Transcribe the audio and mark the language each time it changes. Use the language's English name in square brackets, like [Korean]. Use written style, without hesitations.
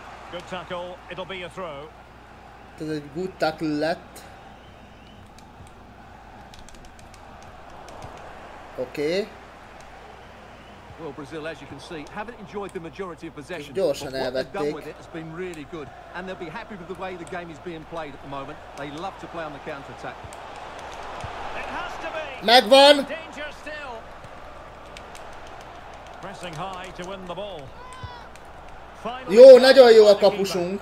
[English] Good tackle, it'll be a throw. [Hungarian] Tehát egy [English] good tackle [Hungarian] lett. [English] Okay. Well, Brazil, as you can see, haven't enjoyed the majority of possession. [Hungarian] Gyorsan elvették. [English] What they've done with it has been really good, and they'll be happy with the way the game is being played at the moment. They love to play on the counter attack. It has to be. [Hungarian] Megvan. [English] Danger still. Pressing high to win the ball. Finally, [Hungarian] jó, nagyon jó a kapusunk.